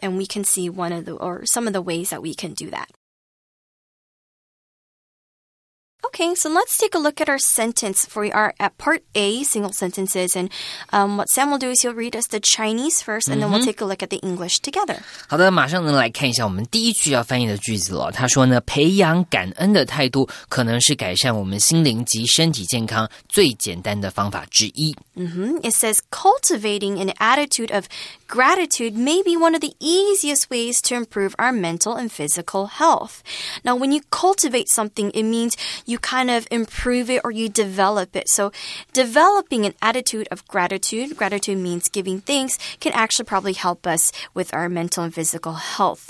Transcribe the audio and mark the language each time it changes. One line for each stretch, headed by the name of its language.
English: And we can see some of the ways that we can do that. Okay, so let's take a look at our sentence. We are at part A, single sentences, and what Sam will do is he'll read us the Chinese first, and then we'll take a look at the English together.
Chinese: 好的，马上呢来看一下我们第一句要翻译的句子了。他说呢，培养感恩的态度可能是改善我们心灵及身体健康最简单的方法之一。
English: It says cultivating an attitude of gratitude may be one of the easiest ways to improve our mental and physical health. Now, when you cultivate something, it means you kind of improve it or you develop it. So developing an attitude of gratitude means giving thanks, can actually probably help us with our mental and physical health.